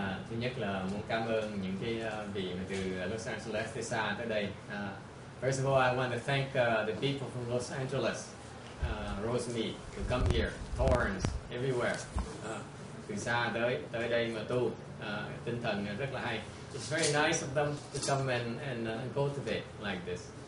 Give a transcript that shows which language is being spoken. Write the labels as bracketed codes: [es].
[vi] Thứ nhất là muốn cảm ơn những cái vị từ Los Angeles tới xa tới đây. [en] First of all, I want to thank the people from Los Angeles. Rosemary, to come here, Torrance, everywhere. [vi] Từ xa tới đây mà tu, tinh thần rất là hay. [en] It's very nice of them to come and cultivate like this.